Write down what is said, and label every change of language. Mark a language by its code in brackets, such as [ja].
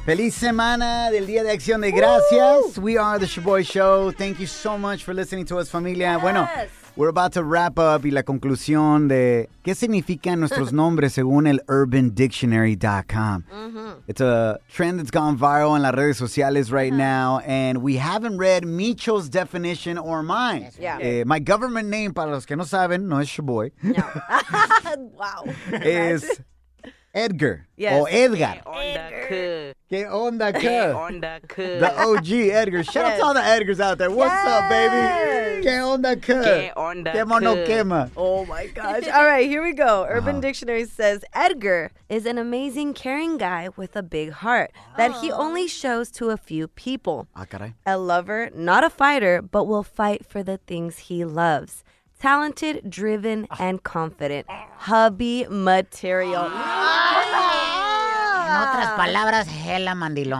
[es] Feliz semana del Día de Acción de Gracias. [en] Ooh. We are the Shaboy Show. Thank you so much for listening to us, familia. Yes. [es] Bueno. [en] We're about to wrap up [es] y la conclusión de qué significan nuestros nombres según el UrbanDictionary.com. [en] Mm-hmm. It's a trend that's gone viral [es] en las redes sociales [en] right now, and we haven't read Micho's definition or mine. Yeah. My government name, [es] para los que no saben, no es Shaboy. [en] No. Wow. Is Edgar. Yes. [es] O Edgar. Que onda que. Que onda que. [en] The OG Edgar. Shout out to all the Edgars out there. What's up, baby? [es] Que onda que. Que onda que. Quema no quema. [en] Oh, my gosh. All right, here we go. Urban Dictionary says, Edgar is an amazing, caring guy with a big heart that he only shows to a few people. [es] Ah, caray. [en] A lover, not a fighter, but will fight for the things he loves. Talented, driven, and confident. Hubby material. [es] In otras palabras, hella mandilón.